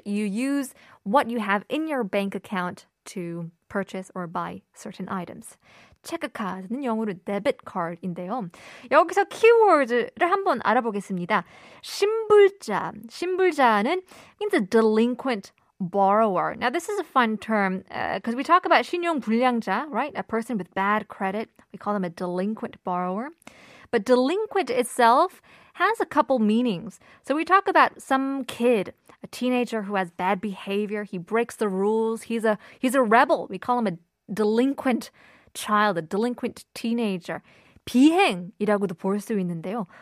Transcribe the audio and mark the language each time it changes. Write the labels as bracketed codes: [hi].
[en] You use what you have in your bank account to purchase or buy certain items. [ko] 체크카드는 영어로 debit card인데요. 여기서 키워드를 한번 알아보겠습니다. 신불자. 신불자는 [en] means a delinquent borrower. Now, this is a fun term because we talk about 신용불량자, right? A person with bad credit. We call them a delinquent borrower. But delinquent itself has a couple meanings. So we talk about some kid, a teenager who has bad behavior, he breaks the rules, he's a rebel. We call him a delinquent child, a delinquent teenager. [ko] 비행이라고도 볼 수 있는데요.